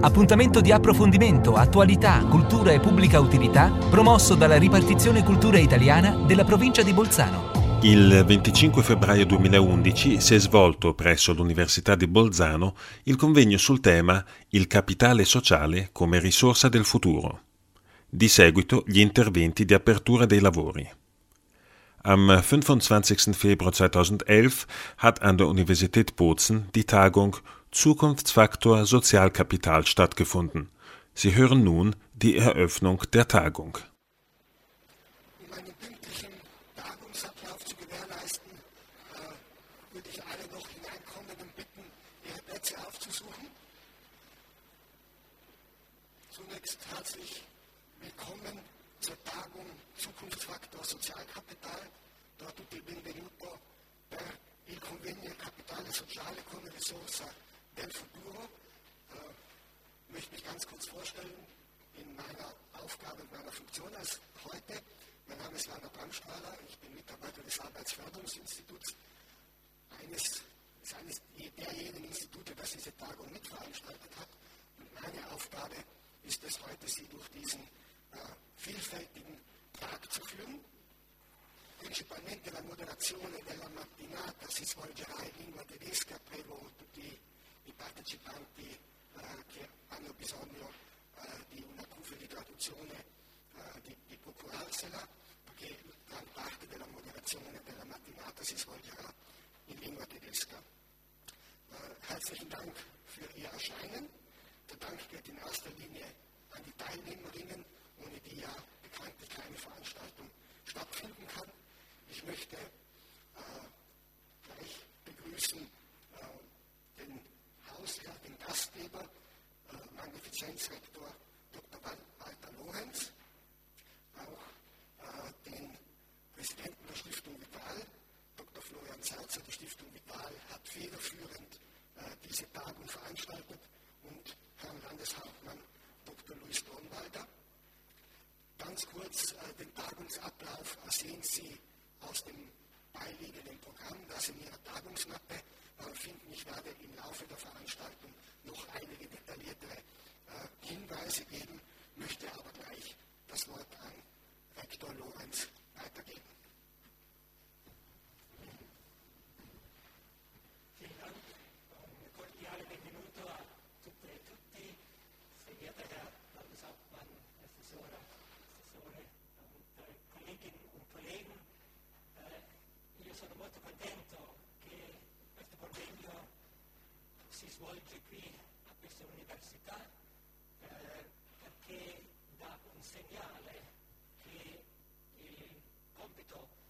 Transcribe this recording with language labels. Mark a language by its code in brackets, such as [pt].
[it] Appuntamento di approfondimento, attualità, cultura e pubblica utilità promosso dalla Ripartizione Cultura Italiana della provincia di Bolzano. Il 25 febbraio 2011 si è svolto presso l'Università di Bolzano il convegno sul tema Il capitale sociale come risorsa del futuro. Di seguito gli interventi di apertura dei lavori. [de] Am 25. Februar 2011 hat an der Universität Bozen die Tagung Zukunftsfaktor Sozialkapital stattgefunden. Sie hören nun die Eröffnung der Tagung. Um einen pünktlichen Tagungsablauf zu gewährleisten, würde ich alle noch Hineinkommenden bitten, ihre Plätze aufzusuchen. Zunächst herzlich willkommen zur Tagung Zukunftsfaktor Sozialkapital. [it] Dort tutti benvenuto per il convegno Capitale Sociale come Risorsa. [de] Del Futuro möchte mich ganz kurz vorstellen in meiner Aufgabe und meiner Funktion als heute. Mein Name ist Werner Brandstrahler, ich bin Mitarbeiter des Arbeitsförderungsinstituts, eines derjenigen Institute, das diese Tagung mitveranstaltet hat. Und meine Aufgabe ist es heute, Sie durch diesen vielfältigen Tag zu führen. [it] Principalmente la moderazione della mattinata si svolgerà in lingua tedesca, prego tutti i partecipanti che hanno bisogno di una cuffia di traduzione di procurarsela, perché gran parte della moderazione della mattinata si svolgerà in lingua tedesca. [de] Herzlichen Dank für Ihr Erscheinen. Der Dank geht in erster Linie an die Teilnehmerinnen, ohne die ja bekanntlich keine Veranstaltung stattfinden kann. Ich möchte gleich begrüßen den Hausherr, den Gastgeber, Magnifizenzrektor Dr. Walter Lorenz, auch den Präsidenten der Stiftung Vital, Dr. Florian Zerzer. Die Stiftung Vital hat federführend diese Tagung veranstaltet, und Herrn Landeshauptmann Dr. Luis Dornwalder. Ganz kurz den Tagungsablauf sehen Sie aus dem beiliegenden Programm, das in Ihrer Tagungsmappe finden. Ich werde im Laufe der Veranstaltung noch einige detailliertere Hinweise geben, möchte aber gleich das Wort an Rektor Lorenz weitergeben. Vielen Dank. [it] Un cordiale benvenuto a tutte e tutti. [de] Verehrter Herr Landeshauptmann, [it] Assessora, Assessore, [de] Kolleginnen und Kollegen. [it] Io sono molto contento che questo convegno si svolge qui a questa università, perché dà un segnale che il compito